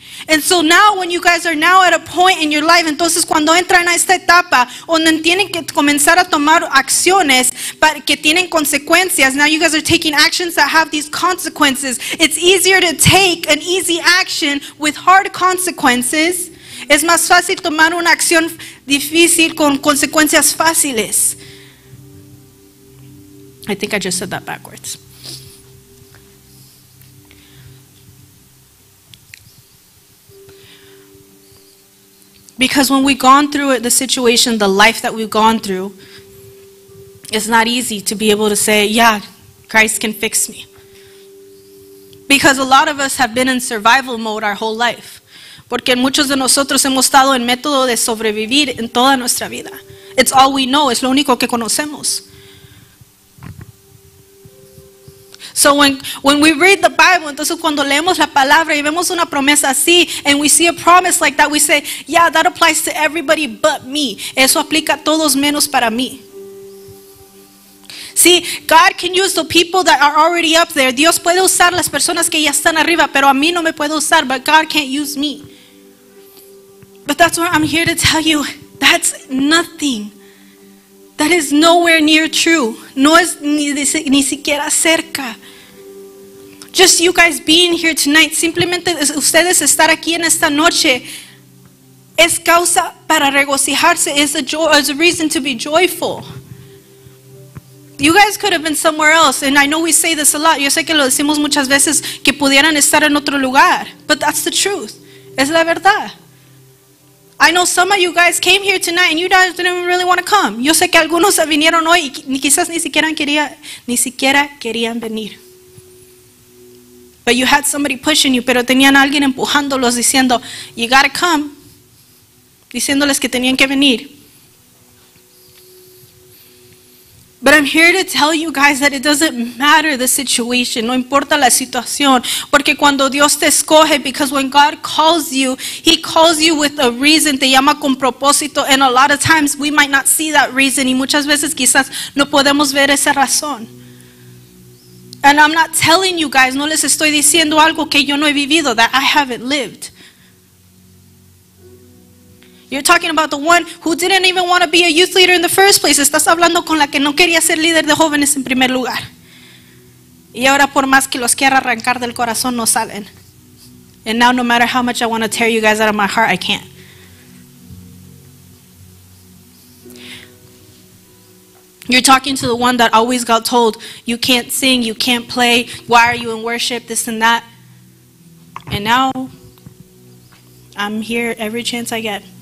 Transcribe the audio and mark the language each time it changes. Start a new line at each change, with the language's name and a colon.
English: And so now when you guys are now at a point in your life,
Spanish: entonces cuando entran a esta etapa donde tienen que comenzar a tomar acciones para que tienen consecuencias,
English: now you guys are taking actions that have these consequences. It's easier to take an easy action with hard consequences.
Spanish: Es más fácil tomar una acción difícil con consecuencias fáciles.
English: I think I just said that backwards. Because when we've gone through the situation, the life that we've gone through, it's not easy to be able to say, yeah, Christ can fix me. Because a lot of us have been in survival mode our whole life.
Spanish: Porque muchos de nosotros hemos estado en método de sobrevivir en toda nuestra vida.
English: It's all we know,
Spanish: es lo único que conocemos.
English: So when we read the Bible,
Spanish: entonces cuando leemos la palabra y vemos una promesa así,
English: and we see a promise like that, we say, yeah, that applies to everybody but me.
Spanish: Eso aplica a todos menos para mí.
English: See, God can use the people that are already up there.
Spanish: Dios puede usar las personas que ya están arriba, pero a mí no me puede usar,
English: but God can't use me. But that's what I'm here to tell you. That's nothing. That is nowhere near true.
Spanish: No es ni siquiera cerca.
English: Just you guys being here tonight,
Spanish: simplemente ustedes estar aquí en esta noche, es causa para regocijarse,
English: is a reason to be joyful. You guys could have been somewhere else, and I know we say this a lot.
Spanish: Yo sé que lo decimos muchas veces, que pudieran estar en otro lugar.
English: But that's the truth.
Spanish: Es la verdad.
English: I know some of you guys came here tonight and you guys didn't even really want to come.
Spanish: Yo sé que algunos vinieron hoy y quizás ni siquiera querían venir.
English: But you had somebody pushing you,
Spanish: pero tenían alguien empujándolos diciendo,
English: you gotta come,
Spanish: diciéndoles que tenían que venir.
English: But I'm here to tell you guys that it doesn't matter the situation,
Spanish: no importa la situación, porque cuando Dios te escoge,
English: because when God calls you, He calls you with a reason,
Spanish: te llama con propósito,
English: and a lot of times we might not see that reason,
Spanish: y muchas veces quizás no podemos ver esa razón.
English: And I'm not telling you guys,
Spanish: no les estoy diciendo algo que yo no he vivido,
English: that I haven't lived. You're talking about the one who didn't even want to be a youth leader in the first place.
Spanish: Estás hablando con la que no quería ser líder de jóvenes en primer lugar. Y ahora por más que los quiera arrancar del corazón, no salen.
English: And now no matter how much I want to tear you guys out of my heart, I can't. You're talking to the one that always got told, you can't sing, you can't play, why are you in worship, this and that. And now, I'm here every chance I get.